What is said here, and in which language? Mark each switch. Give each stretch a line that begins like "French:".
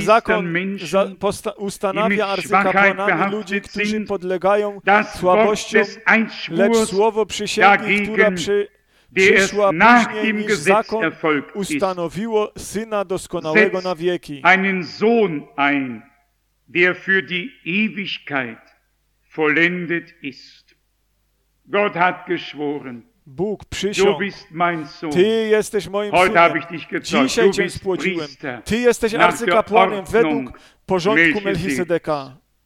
Polish: zakon ustanawia arcykapłanami ludzi, którzy podlegają słabości, lecz słowo przysięgi, która przyszła później niż zakon, ustanowiło Syna Doskonałego na wieki.
German: Einen Sohn ein, der für die Ewigkeit vollendet ist. Gott hat geschworen.
Polish: Bóg przysiągł, Ty jesteś moim synem, dzisiaj Cię spłodziłem, Ty jesteś arcykapłanem według porządku Melchisedeka.